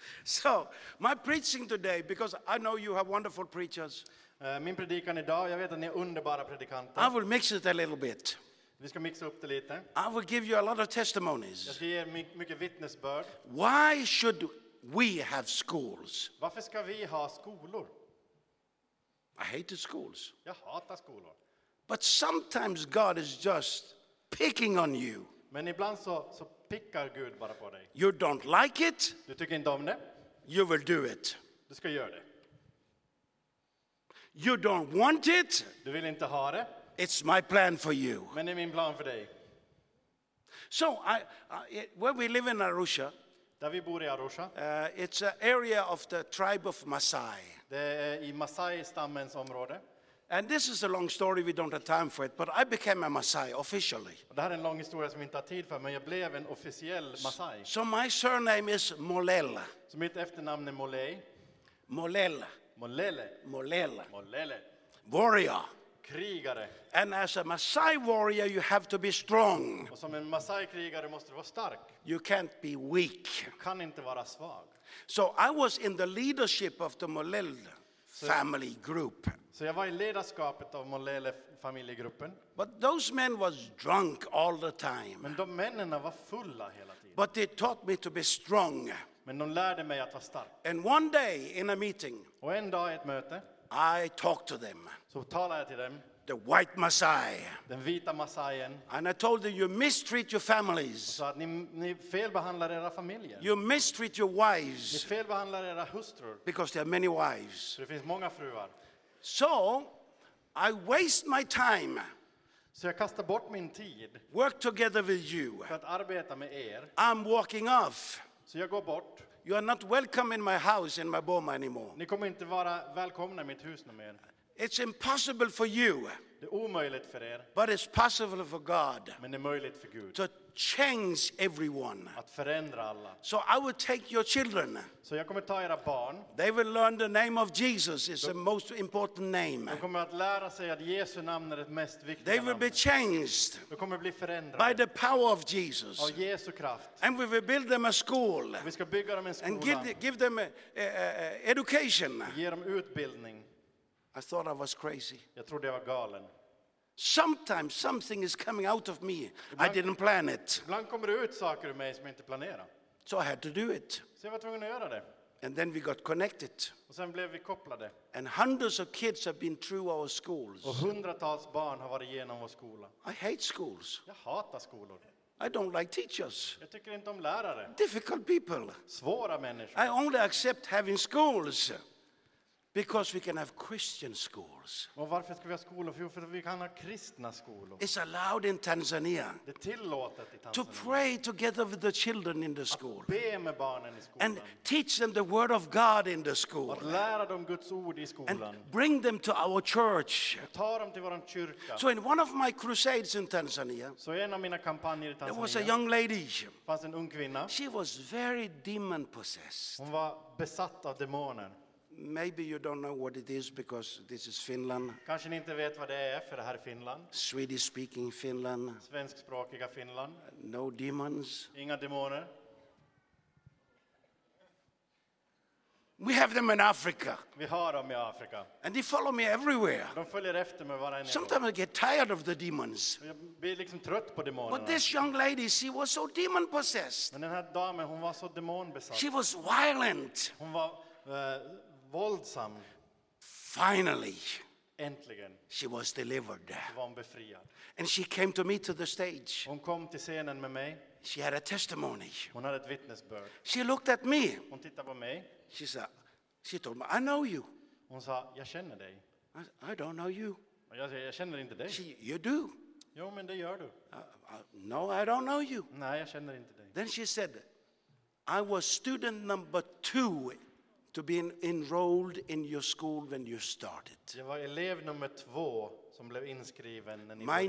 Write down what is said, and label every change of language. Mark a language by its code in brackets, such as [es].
[en] So, my preaching today, because I know you have wonderful preachers. [sv] Min predikan idag, jag vet att ni är underbara predikanter. [en] I will mix it a little bit. [sv] Vi ska mixa upp det lite. [en] I will give you a lot of testimonies. [sv] Jag ska ge mycket vittnesbörd. [en] Why should we have schools? [sv] Varför ska vi ha skolor? [en] I hate the schools. [sv] Jag hatar skolor. [en] But sometimes God is just picking on you. [sv] Men ibland så pickar Gud bara på dig. [en] You don't like it. [sv] Du tycker inte om det. [en] You will do it. [sv] Du ska göra det. [en] You don't want it. [sv] Du vill inte ha det. [en] It's my plan for you. [sv] Men det är min plan för dig. [en] So where we live in Arusha. [sv] Där vi bor i Arusha. [en] It's an area of the tribe of Maasai. [sv] Det är i Maasai-stammens område. [en] And this is a long story, we don't have time for it, but I became a Maasai officially. [sv] Det här är en lång historia som vi inte har tid för, men jag blev en officiell Maasai. [en] So my surname is Molel. [sv] Så mitt efternamn är Molel. [en] Molel. [sv] Molele. [en] Molel. [sv] Molele. [en] Warrior. [sv] Krigare. [en] And as a Maasai warrior you have to be strong. [sv] Och som en Maasai-krigare måste du vara stark. [en] You can't be weak. [sv] Du kan inte vara svag. [en] So I was in the leadership of the Molel family group. [sv] Så jag var i ledarskapet av Molel familjegruppen. [en] But those men was drunk all the time. [sv] Men de männen var fulla hela tiden. [en] But they taught me to be strong. [sv] Men de lärde mig att vara stark. [en] And one day in a meeting. [sv] Och en dag i ett möte. [en] I talked to them. [sv] Så talade jag till dem. [en] The the white Messiah. [sv] Den vita Messiahen. [en] And I told them, you mistreat your families. [sv] Så att ni felbehandlar era familjer. [en] You mistreat your wives. [sv] Ni felbehandlar era hustrur. [en] Because there are many wives. [sv] Det finns många fruar. [en] So I waste my time. [sv] Så jag kastar bort min tid. [en] Work together with you. [sv] För att arbeta med er. [en] I'm walking off. [sv] Så jag går bort. [en] You are not welcome in my house in my Burma anymore. [sv] Ni kommer inte vara välkomna i mitt hus nu mer. [en] It's impossible for you. [sv] Det är omöjligt för er. [en] But it's possible for God. [sv] Men det är möjligt för Gud. [en] To change everyone. [sv] Att förändra alla. [en] So I will take your children. [sv] Så jag kommer ta era barn. [en] They will learn the name of Jesus. It's the most important name. [sv] De kommer att lära sig att Jesu namn är det mest viktiga. [en] They will be changed. [sv] De kommer bli förändrade. [en] By the power of Jesus. [sv] Av Jesu kraft. [en] And we will build them a school. [sv] Vi ska bygga dem en skola. [en] And give them education. [sv] Ge dem utbildning. [en] I thought I was crazy. [sv] Jag trodde jag var galen. [en] Sometimes something is coming out of me. [sv] Ibland, [en] I didn't plan it. [sv] Ibland kommer det ut saker ur mig som jag inte planerar. [en] So I had to do it. [sv] Så jag var tvungen att göra det. [en] And then we got connected. [sv] Och sen blev vi kopplade. [en] And hundreds of kids have been through our schools. [sv] Och hundratals barn har varit genom vår skola. [en] I hate schools. [sv] Jag hatar skolor. [en] I don't like teachers. [sv] Jag tycker inte om lärare. [en] Difficult people. [sv] Svåra människor. [en] I only accept having schools. Because we can have Christian schools. [sv] Och varför ska vi ha skolor? För vi kan ha kristna skolor. [en] It's allowed in Tanzania. [sv] Det tillåtet i Tanzania. [en] To pray together with the children in the school. [sv] Att be med barnen i skolan. [en] And teach them the word of God in the school. [sv] Att lära dem Guds ord i skolan. [en] And bring them to our church. [sv] Och ta dem till våran kyrka. [en] So in one of my crusades in Tanzania. [sv] Så en av mina kampanjer i Tanzania. [en] There was a young lady. [sv] Fanns en ung kvinna. [en] She was very demon possessed. [sv] Hon var besatt av demoner. [en] Maybe you don't know what it is because this is Finland. [sv] Kanske ni inte vet vad det är för det här är Finland. [en] Swedish speaking Finland. [sv] Svenskspråkiga Finland. [en] No demons. [sv] Inga demoner. [en] We have them in Africa. [sv] Vi har dem i Afrika. [en] And they follow me everywhere. [sv] De följer efter mig varje. [en] Sometimes I get tired of the demons. [sv] Jag blir liksom trött på demonerna. [en] But this young lady, she was so demon possessed. [sv] Men den här damen, hon var så demonbesatt. [en] She was violent. [sv] Hon var våldsam. [en] Finally. [sv] Äntligen. [en] She was delivered. [sv] Var hon befriad. [en] And she came to me to the stage. [sv] Hon kom till scenen med mig. [en] She had a testimony. [sv] Hon hade ett vittnesbörd. [en] She looked at me. [sv] Hon tittade på mig. [en] She told me, I know you. [sv] Hon sa, jag känner dig. [en] I don't know you. [sv] Jag känner inte dig. [en] You do. [sv] Jo, men det gör du. [en] No, I don't know you. [sv] Nej, jag känner inte dig. [en] Then she said, I was student number 2. To be enrolled in your school when you started. [sv] Jag var elev nummer 2 som blev inskriven när ni började.